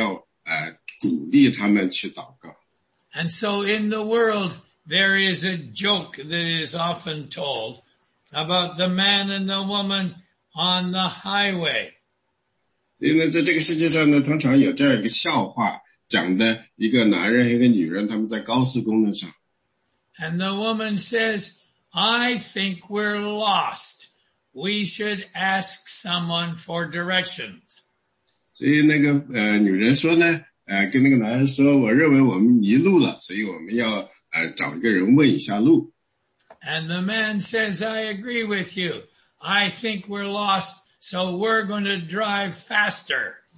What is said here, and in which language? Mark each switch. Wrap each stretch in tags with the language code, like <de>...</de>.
<zh>那这里面讲到的所有的都是，就是说男人呢要祷告，当然妇女也要祷告，但是呢，妇女并没有像男人那样要鼓励他们去祷告。</zh> <en>And so in the world, there is a joke that is often told about the man and the woman on the highway.</en> <zh>因为在这个世界上呢，通常有这样一个笑话，讲的一个男人和一个女人，他们在高速公路上。</zh> <en>And the woman says, I think we're lost. We should ask someone for directions.</en> <zh>所以那个女人说呢，跟那个男人说，我认为我们迷路了，所以我们要找一个人问一下路。</zh> <en>And the man says, I agree with you. I think we're lost, so we're going to drive faster.</en>